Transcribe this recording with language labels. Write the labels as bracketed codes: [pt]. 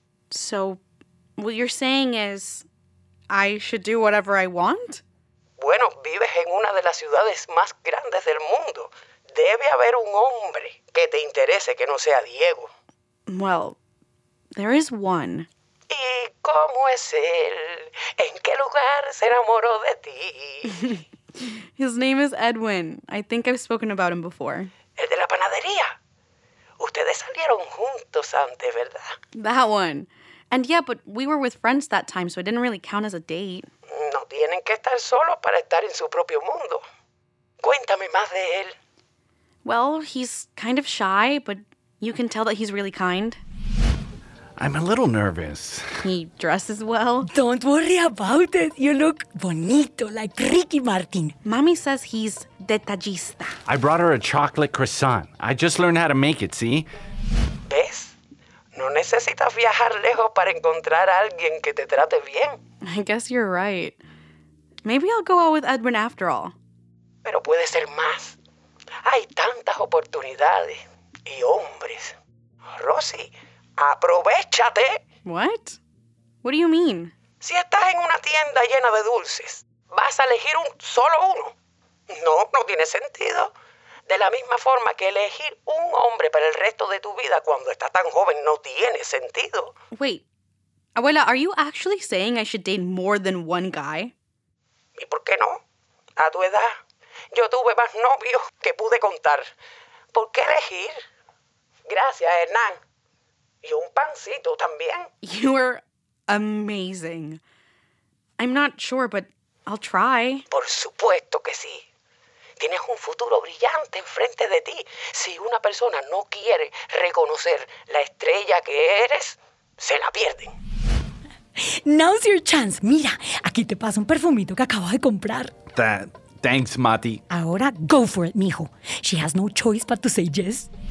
[en] So, what you're saying is, I should do whatever I want? [es] Bueno, vives en una de las ciudades más grandes del mundo. Debe haber un hombre que te interese que no sea Diego. [en] Well, there is one. [es] ¿Y cómo es él? ¿En qué lugar se enamoró de ti? [en] His name is Edwin. I think I've spoken about him before. [es] El de la panadería. Ustedes salieron juntos antes, ¿verdad? [en] That one. And yeah, but we were with friends that time, so it didn't really count as a date. [es] No, tienen que estar solos para estar en su propio mundo. Cuéntame más de él. [en] Well, he's kind of shy, but you can tell that he's really kind. I'm a little nervous. He dresses well. Don't worry about it. You look bonito, like Ricky Martin. Mommy says he's detallista. I brought her a chocolate croissant. I just learned how to make it, see? [es] ¿Ves? No necesitas viajar lejos para encontrar a alguien que te trate bien. [en] I guess you're right. Maybe I'll go out with Edwin after all. [es] Pero puede ser más. Hay tantas oportunidades y hombres. Rossy, aprovechate. [en] What? What do you mean? [es] Si estás en una tienda llena de dulces, vas a elegir un solo uno. No, no tiene sentido. De la misma forma que elegir un hombre para el resto de tu vida cuando estás tan joven no tiene sentido. [en] Wait, abuela, are you actually saying I should date more than one guy? [es] ¿Y por qué no? A tu edad, yo tuve más novios que pude contar. ¿Por qué elegir? Gracias, Hernán. Y un pancito también. [en] You are amazing. I'm not sure, but I'll try. [es] Por supuesto que sí. Tienes un futuro brillante enfrente de ti. Si una persona no quiere reconocer la estrella que eres, se la pierden. [en] Now's your chance. [es] Mira, aquí te paso un perfumito que acabo de comprar. [en] Thanks, Mati. Ahora, go for it, mijo. She has no choice but to say yes.